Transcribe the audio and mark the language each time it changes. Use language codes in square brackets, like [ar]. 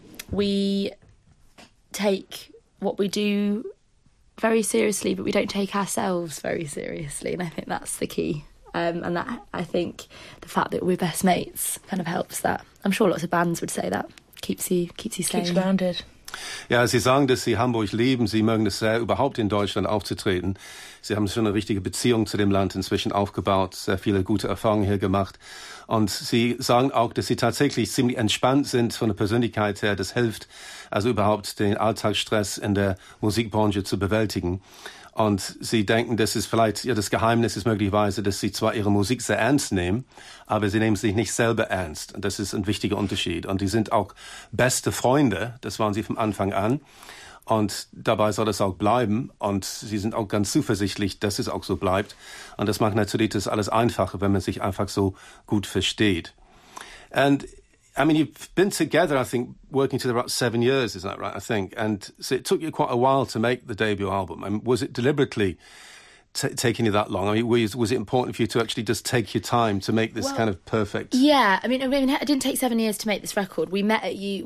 [en] We take what we do very seriously, but we don't take ourselves very seriously, and I think that's the key. And that I think the fact that we're best mates kind of helps that. I'm sure lots of bands would say that keeps you sane. Keeps grounded. [de] Ja, Sie sagen, dass Sie Hamburg lieben. Sie mögen es sehr, überhaupt in Deutschland aufzutreten. Sie haben schon eine richtige Beziehung zu dem Land inzwischen aufgebaut, sehr viele gute Erfahrungen hier gemacht. Und Sie sagen auch, dass Sie tatsächlich ziemlich entspannt sind von der Persönlichkeit her. Das hilft, also überhaupt den Alltagsstress in der Musikbranche zu bewältigen. Und Sie denken, das ist vielleicht, ja, das Geheimnis ist möglicherweise, dass Sie zwar Ihre Musik sehr ernst nehmen, aber Sie nehmen sich nicht selber ernst. Und das ist ein wichtiger Unterschied. Und Sie sind auch beste Freunde. Das waren Sie von Anfang an. Und dabei soll das auch bleiben. Und Sie sind auch ganz zuversichtlich, dass es auch so bleibt. Und das macht natürlich das alles einfacher, wenn man sich einfach so gut versteht. [en] And I mean, you've been together, I think, working together about 7 years, isn't that right, I think? And so it took you quite a while to make the debut album. I mean, was it deliberately taking you that long? I mean, was it important for you to actually just take your time to make this kind of perfect... Yeah, I mean, it didn't take 7 years to make this record. We met at U...